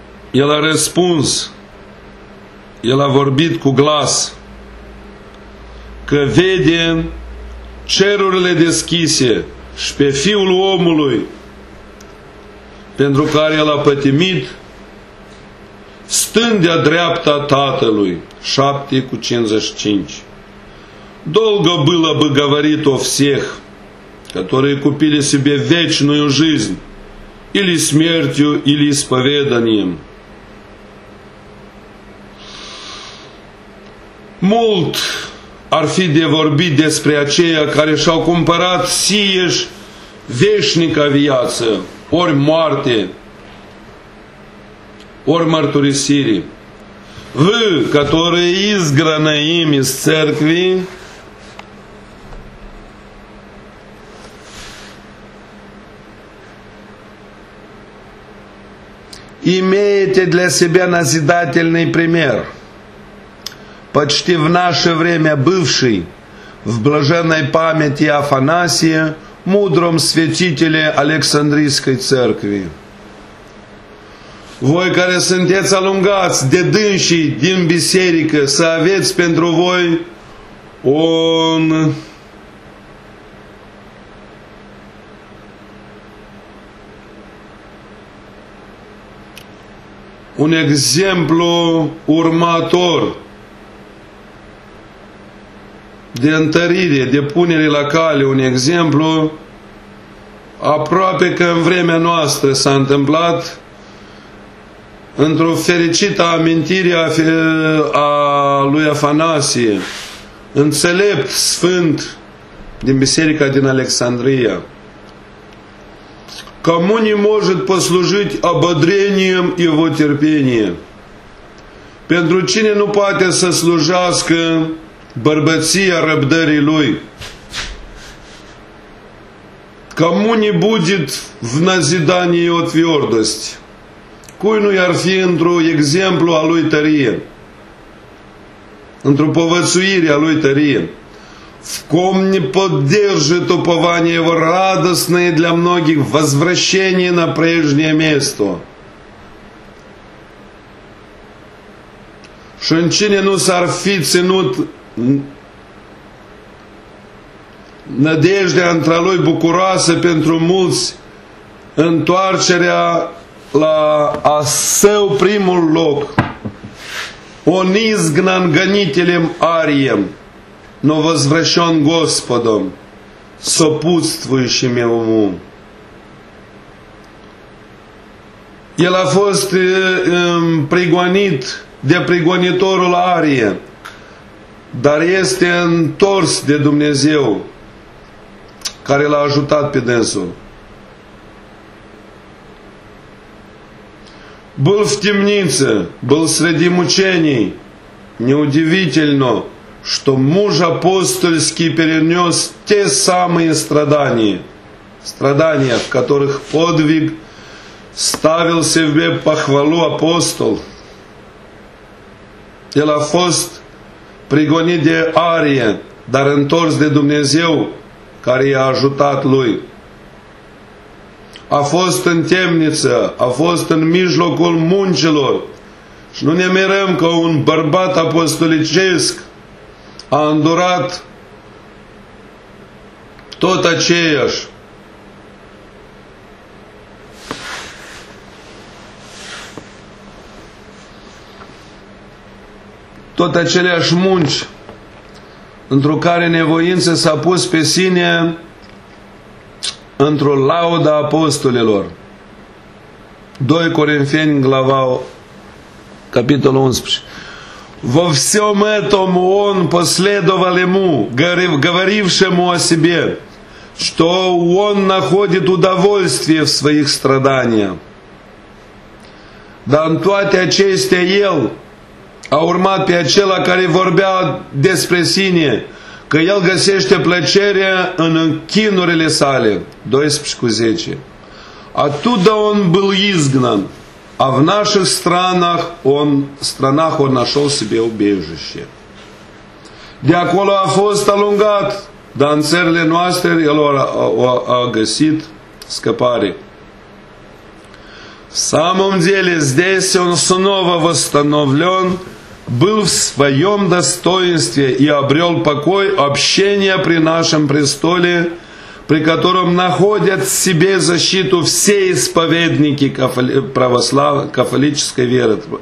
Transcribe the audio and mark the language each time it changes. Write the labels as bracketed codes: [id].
[ro] el a răspuns, el a vorbit cu glas că vede cerurile deschise și pe Fiul omului pentru care el a pătimit stând de-a dreapta Tatălui. 7:55. [ru] Долго было бы говорить о всех, которые купили себе вечную жизнь или смертью, или исповеданием. [ro] Mult ar fi de vorbit despre aceia care și-au cumpărat sieși veșnică viață, ori moarte, ori mărturisire. [ru] Вы, которые изгнаны им из церкви, имеете для себя назидательный пример. Почти в наше время бывший в блаженной памяти Афанасия, мудром святителе Александрийской церкви. [ro] Voi care sunteți alungați de dânsii din biserică, să aveți pentru voi un exemplu următor de întărire, de punere la cale, un exemplu aproape că în vremea noastră s-a întâmplat într-o fericită amintire a lui Afanasie, înțelept sfânt din biserica din Alexandria. [ru] Кому не может послужить ободрением и его терпение? [ro] Pentru cine nu poate să slujească bărbăția răbdării lui? [ru] Кому не будет в назидании его твердость? [ro] Cui nu i-ar fi într-un exemplu a lui tărie, într-o povățuire a lui tărie, [ru] в ком не поддержит упование его радостное для многих возвращение на прежнее место? [ro] Și în cine nu s-ar fi ținut nădejdea între lui bucuroasă pentru mulți întoarcerea la a său primul loc, un [ru] izgnan gănitelem ariem, но возвращен Господом, сопутствующим ему. [ro] El a fost prigonit de prigonitorul arie, dar este întors de Dumnezeu care l-a ajutat pe dânsul. [ru] Был в темнице, был среди мучений. Неудивительно, что муж апостольский перенес те самые страдания, страдания, в которых подвиг ставил себе похвалу апостол. [ro] El a fost prigonit de arie, dar întors de Dumnezeu care i-a ajutat lui. A fost în temniță, a fost în mijlocul muncilor. Și nu ne mirăm că un bărbat apostolicesc a îndurat tot aceeași. Tot aceleași munci într-o care nevoință s-a pus pe sine într-o laudă apostolilor. 2 Corinteni, glava capitolul 11. [ru] Во всем этом он последовал ему, говорившему о себе, что он находит удовольствие в своих страданиях. Да, в [ro] toate acestea el a urmat pe acela care vorbea despre sine, că el găsește plăcerea în închinurile sale. [ru] 12:10. Оттуда он был изгнан. А в наших странах он, странах он нашел себе убежище. [ro] De acolo a fost alungat, dar în țările noastre el a găsit scăpare. [ru] В самом деле здесь он снова восстановлен, был в своем достоинстве и обрел покой общения при нашем престоле, при котором находят себе защиту все исповедники католической веры.